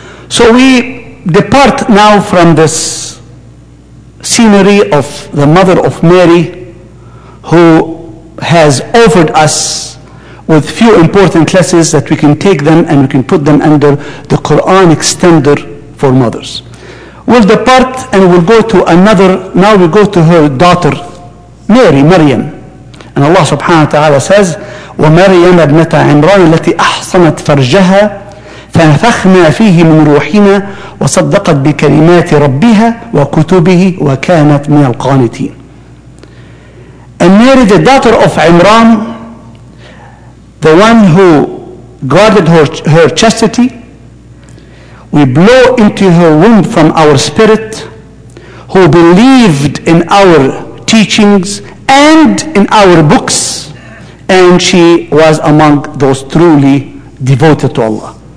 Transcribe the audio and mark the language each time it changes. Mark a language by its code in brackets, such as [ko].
[en] So we depart now from this scenery of the mother of Mary, who has offered us with few important lessons that we can take them and we can put them under the Quranic standard for mothers. We'll depart and we'll go to another, now we go to her daughter, Mary, Maryam. And Allah subhanahu wa ta'ala says, [ar] وَمَرْيَمَ ابْنَةَ عِمْرَانِ الَّتِي أَحْصَنَتْ فَرْجَهَا فَنَفَخْنَا فِيهِ مِنْ رُوحِنَا وَصَدَّقَتْ بِكَلِمَاتِ رَبِّهَا وَكُتُبِهِ وَكَانَتْ مِنَ الْقَانِتِينَ. [en] And Mary, the daughter of Imran, the one who guarded her chastity, we blow into her womb from our spirit, who believed in our teachings and in our books, and she was among those truly devoted to Allah.